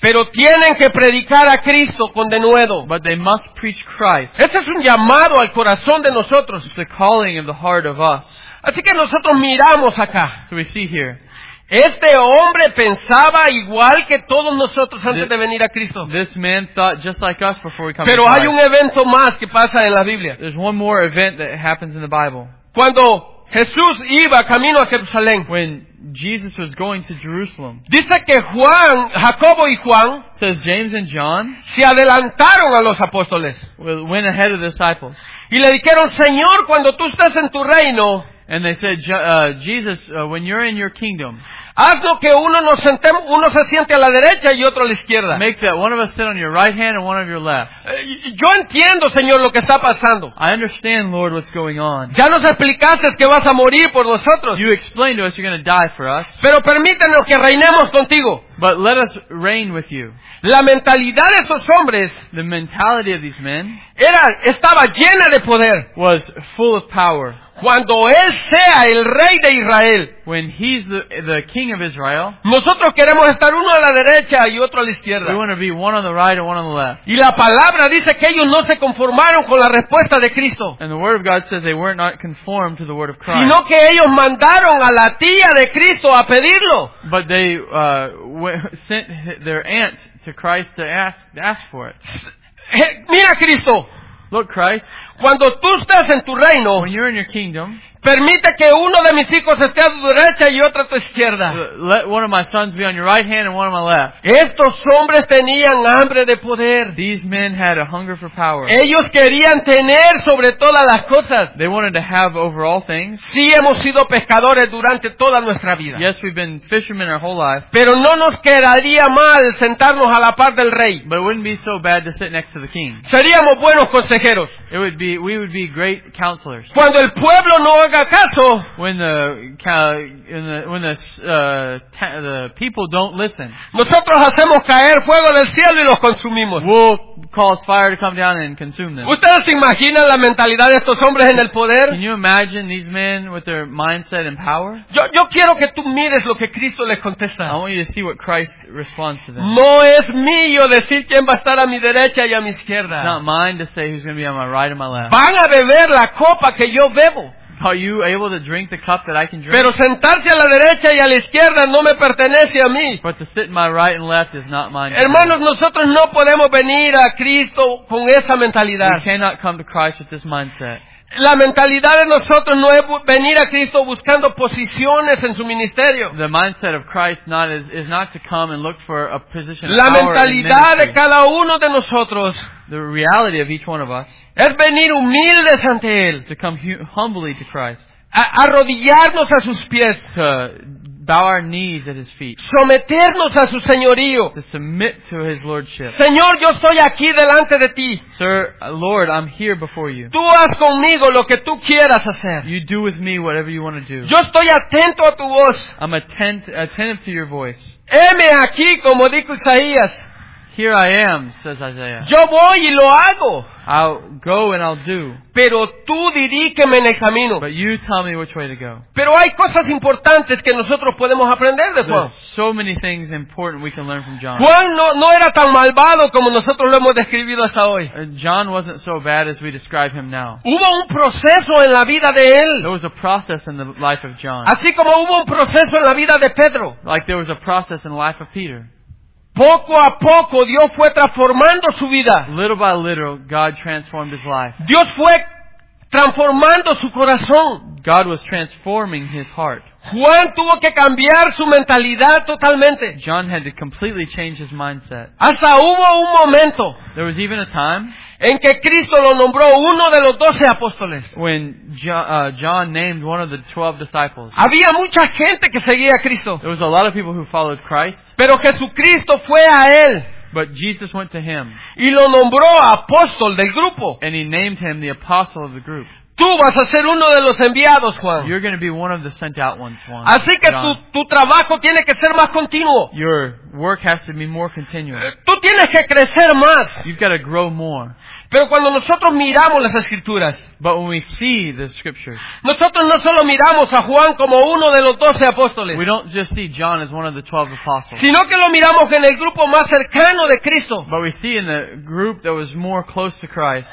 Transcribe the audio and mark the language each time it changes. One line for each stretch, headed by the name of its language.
Spanish: Pero tienen que predicar a Cristo con denuedo.
English: But they must preach Christ.
Spanish: Este es un llamado al corazón de nosotros.
English: It's a calling of the heart of us.
Spanish: Así que nosotros miramos acá.
English: So we see here.
Spanish: Este hombre pensaba igual que todos nosotros antes de venir a Cristo.
English: This man thought just like us before we come.
Spanish: Pero hay un evento más que pasa en la Biblia.
English: There's one more event that happens in the Bible.
Spanish: Cuando Jesús iba camino a Jerusalén.
English: When Jesus was going to Jerusalem.
Spanish: Dice que Juan, Jacobo y Juan,
English: says James and John,
Spanish: se adelantaron a los apóstoles.
English: Went ahead of the disciples.
Spanish: Y le dijeron, Señor, cuando tú estés en tu reino,
English: and they said, Jesus, when you're in your kingdom,
Spanish: hazlo que uno nos sentemos, uno se siente a la derecha y otro a la izquierda.
English: Make that one of us sit on your right hand and one of your left.
Spanish: Yo entiendo, Señor, lo que está pasando.
English: I understand, Lord, what's going on.
Spanish: Ya nos explicaste que vas a morir por nosotros.
English: You explained to us you're going to die for us.
Spanish: Pero permítanos que reinemos contigo.
English: But let us reign with you.
Spanish: La mentalidad de esos hombres,
English: the mentality of these men,
Spanish: estaba llena de poder.
English: Was full of power.
Spanish: Cuando él sea el rey de Israel,
English: when he's the king of Israel,
Spanish: nosotros queremos estar uno a la derecha y otro a la izquierda.
English: We want to be one on the right and one on the left.
Spanish: Y la palabra dice que ellos no se conformaron con la respuesta de Cristo.
English: And the word of God says they were not conformed to the word of Christ.
Spanish: Sino que ellos mandaron a la tía de Cristo a pedirlo.
English: But they sent their aunt to Christ to ask for it.
Spanish: Mira Cristo.
English: Look Christ.
Spanish: Cuando tú estás en tu reino,
English: when you're in your kingdom,
Spanish: permite que uno de mis hijos esté a tu derecha y otro a tu izquierda.
English: Let one of my sons be on your right hand and one on my left.
Spanish: Estos hombres tenían hambre de poder.
English: These men had a hunger for power.
Spanish: Ellos querían tener sobre todas las cosas.
English: They wanted to have over all things.
Spanish: Sí, hemos sido pescadores durante toda nuestra vida.
English: Yes, we've been fishermen our whole life.
Spanish: Pero no nos quedaría mal sentarnos a la par del rey.
English: But it wouldn't be so bad to sit next to the king.
Spanish: Seríamos buenos consejeros.
English: We would be great counselors.
Spanish: Cuando el pueblo no haga caso,
English: when the people don't listen,
Spanish: nosotros hacemos caer fuego del cielo y los consumimos.
English: We'll cause fire to come down and consume them.
Spanish: ¿Ustedes se imaginan la mentalidad de estos hombres en el poder?
English: Can you imagine these men with their mindset and power?
Spanish: Yo quiero que tú mires lo que Cristo les contesta.
English: I want you to see what Christ responds to them.
Spanish: No es mío decir quién va a estar a mi derecha y a mi izquierda.
English: It's not mine to say who's going to be on my right and my left.
Spanish: Van a beber la copa que yo bebo.
English: Are you able to drink the cup that I can drink?
Spanish: Pero sentarse a la derecha y a la izquierda no me pertenece a mí.
English: But to sit my right and left is not mine.
Spanish: Hermanos, nosotros no podemos venir a Cristo con esa mentalidad.
English: We cannot come to Christ with this mindset.
Spanish: La mentalidad de nosotros no es venir a Cristo buscando posiciones en su ministerio.
English: The mindset of Christ not is, is not to come and look for a position of power.
Spanish: La mentalidad de cada uno de nosotros,
English: the reality of each one of us,
Spanish: es venir humildes ante Él,
English: to come humbly to Christ,
Spanish: arrodillarnos a sus pies,
English: to bow our knees at His feet,
Spanish: someternos a su señorío,
English: to submit to His lordship.
Spanish: Señor, yo estoy aquí delante de ti.
English: Sir, Lord, I'm here before you.
Spanish: Tú haz conmigo lo que tú quieras hacer.
English: You do with me whatever you want to do.
Spanish: Yo estoy atento a tu voz.
English: I'm attentive to your voice.
Spanish: Heme aquí, como dijo Isaías.
English: Here I am, says Isaiah.
Spanish: Yo voy y lo hago.
English: I'll go and I'll do.
Spanish: Pero tú diríqueme en el camino.
English: But you tell me which way to go.
Spanish: Pero hay cosas importantes que nosotros podemos aprender de Juan.
English: There's so many things important we can learn from John.
Spanish: Juan no era tan malvado como nosotros lo hemos descrito hasta hoy.
English: John wasn't so bad as we describe him now.
Spanish: Hubo un proceso en la vida de él.
English: There was a process in the life of John.
Spanish: Así como hubo un proceso en la vida de Pedro.
English: Like there was a process in the life of Peter.
Spanish: Poco a poco Dios fue transformando su vida.
English: Little by little, God transformed his life.
Spanish: Dios fue transformando su corazón.
English: God was transforming his heart.
Spanish: Juan tuvo que cambiar su mentalidad totalmente.
English: John had to completely change his mindset.
Spanish: Hasta hubo un momento.
English: There was even a time.
Spanish: En que Cristo lo nombró uno de los 12 apóstoles.
English: When John named one of the 12 disciples.
Spanish: Había mucha gente que seguía a Cristo.
English: There was a lot of people who followed Christ.
Spanish: Pero Jesucristo fue a él.
English: But Jesus went to him.
Spanish: Y lo nombró apóstol del grupo.
English: And he named him the apostle of the group.
Spanish: Tú vas a ser uno de los enviados, Juan.
English: You're going to be one of the sent out ones, Juan.
Spanish: Así que tu trabajo tiene que ser más continuo.
English: Your work has to be more continuous.
Spanish: Tú tienes que crecer más.
English: You've got to grow more.
Spanish: Pero cuando nosotros miramos las escrituras,
English: but when we see the scriptures,
Spanish: nosotros no solo miramos a Juan como uno de los 12 apóstoles.
English: We don't just see John as one of the 12 apostles.
Spanish: Sino que lo miramos en el grupo más cercano de Cristo.
English: But we see in the group that was more close to Christ.